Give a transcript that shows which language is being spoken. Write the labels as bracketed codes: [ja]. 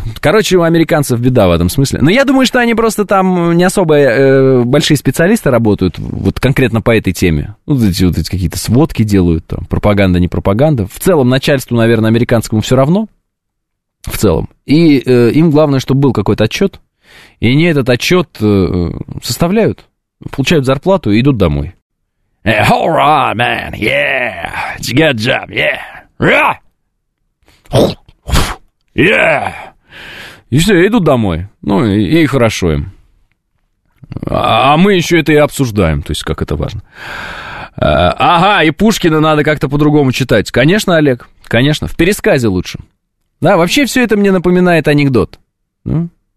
[ru] Короче, у американцев беда в этом смысле. Но я думаю, что они просто там не особо большие специалисты работают вот конконкретно по этой теме. Ну, вот эти какие-то сводки делают там, пропаганда, не пропаганда. В целом, начальству, наверное, американскому все равно. В целом. И им главное, чтобы был какой-то отчет. И они этот отчет составляют, получают зарплату и идут домой. [en] Hey, all right, man, yeah, it's a good job, yeah, yeah. [ru] Yeah! И все, идут домой. Ну, и хорошо им. А мы еще это и обсуждаем, то есть как это важно. Ага, и Пушкина надо как-то по-другому читать. Конечно, Олег, конечно, в пересказе лучше. Да, вообще все это мне напоминает анекдот. Ну?